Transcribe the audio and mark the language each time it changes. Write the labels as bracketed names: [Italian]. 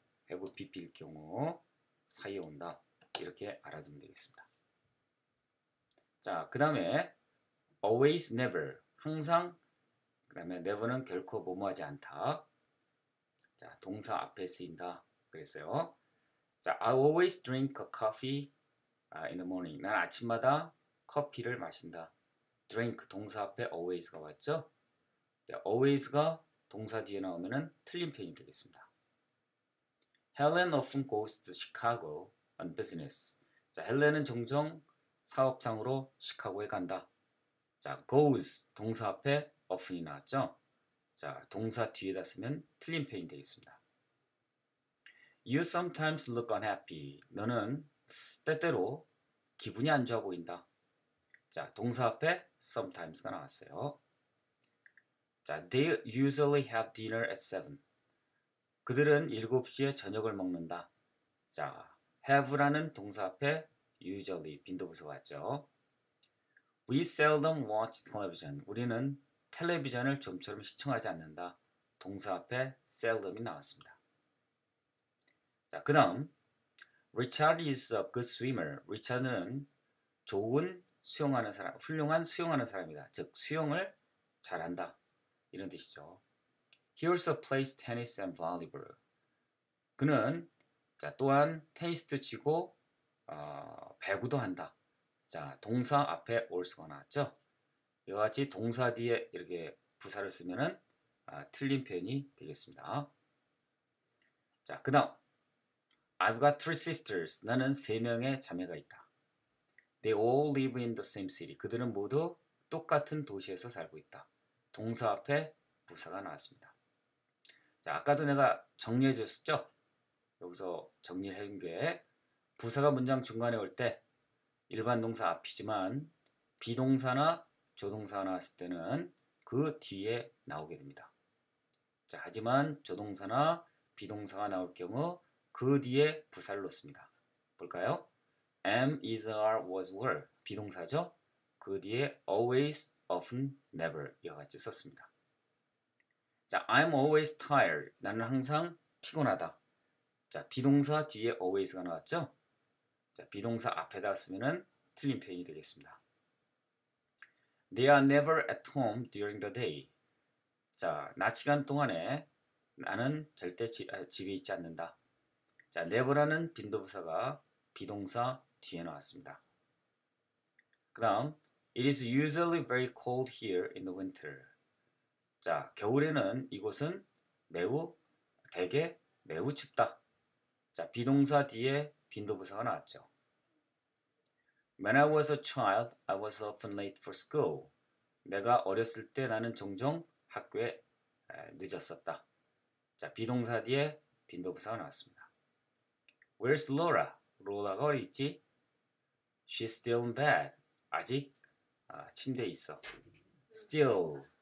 [Korean] have a PP일 경우 사이에 온다. 이렇게 알아두면 되겠습니다. 자, 그 다음에 always, never, 항상, 그 다음에 never는 결코 뭐뭐하지 않다. 자, 동사 앞에 쓰인다 그랬어요. [English] 자, I always drink a coffee in the morning. [Korean] 난 아침마다 커피를 마신다. drink, 동사 앞에 always가 왔죠? 네, always가 동사 뒤에 나오면은 틀린 표현이 되겠습니다. [English] Helen often goes to Chicago on business. [Korean] 자, 헬렌은 종종 사업상으로 시카고에 간다. 자, goes, 동사 앞에 often이 나왔죠? 자, 동사 뒤에다 쓰면 틀린 표현이 되겠습니다. [English] You sometimes look unhappy. [Korean] 너는 때때로 기분이 안 좋아 보인다. 자, 동사 앞에 sometimes가 나왔어요. [English] 자, they usually have dinner at 7. [Korean] 그들은 7시에 저녁을 먹는다. 자, have라는 동사 앞에 usually 빈도부사가 왔죠. [English] We seldom watch television. [Korean] 우리는 텔레비전을 좀처럼 시청하지 않는다. 동사 앞에 seldom이 나왔습니다. 자, 그 다음 [English] Richard is a good swimmer. [Korean] Richard는 좋은 수영하는 사람, 훌륭한 수영하는 사람이다. 즉, 수영을 잘한다. 이런 뜻이죠. [English] He also plays tennis and volleyball. [Korean] 그는 자, 또한 테니스도 치고 배구도 한다. 자, 동사 앞에 also가 나왔죠. 이와 같이 동사 뒤에 이렇게 부사를 쓰면은 틀린 표현이 되겠습니다. 자, 그 다음 [English] I've got three sisters. [Korean] 나는 세 명의 자매가 있다. [English] They all live in the same city. [Korean] 그들은 모두 똑같은 도시에서 살고 있다. 동사 앞에 부사가 나왔습니다. 자, 아까도 내가 정리해 줬었죠? 여기서 정리를 한 게 부사가 문장 중간에 올 때 일반 동사 앞이지만 비동사나 조동사가 나왔을 때는 그 뒤에 나오게 됩니다. 자, 하지만 조동사나 비동사가 나올 경우 그 뒤에 부사를 놓습니다. 볼까요? am, is, are, was, were 비동사죠? 그 뒤에 always, often, never 이와 같이 썼습니다. 자, [English] I'm always tired. [Korean] 나는 항상 피곤하다. 자, 비동사 뒤에 always가 나왔죠? 자, 비동사 앞에다 쓰면은 틀린 표현이 되겠습니다. [English] They are never at home during the day. [Korean] 자, 낮 시간 동안에 나는 절대 집에 있지 않는다. 자, never라는 빈도부사가 비동사 뒤에 나왔습니다. 그 다음, [English] It is usually very cold here in the winter. [Korean] 자, 겨울에는 이곳은 대개 매우 춥다. 자, 비동사 뒤에 빈도부사가 나왔죠. [English] When I was a child, I was often late for school. [Korean] 내가 어렸을 때 나는 종종 학교에 늦었었다. 자, 비동사 뒤에 빈도부사가 나왔습니다. [English] Where's Laura? [Korean] 로라가 어디 있지? [English] She's still in bed. [Korean] 아직 침대에 있어. Still.